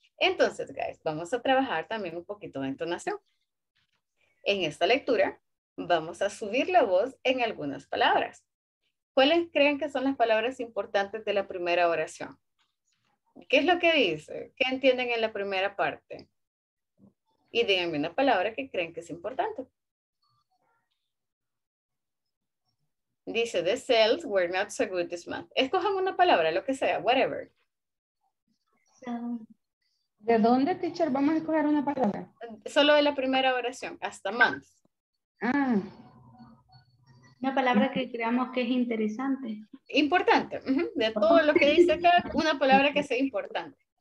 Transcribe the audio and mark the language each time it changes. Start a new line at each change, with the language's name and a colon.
Spanish: Entonces, guys, vamos a trabajar también un poquito de entonación. En esta lectura, vamos a subir la voz en algunas palabras. ¿Cuáles creen que son las palabras importantes de la primera oración? ¿Qué es lo que dice? ¿Qué entienden en la primera parte? Y díganme una palabra que creen que es importante.
English: Dice, the sales were not so good this month.
Spanish: Escojan una palabra, lo que sea, whatever. ¿De dónde, teacher, vamos a escoger una palabra? Solo de la primera oración, hasta month. Ah. Una palabra que creamos que es interesante. Importante. De todo lo que dice acá, una palabra que sea importante.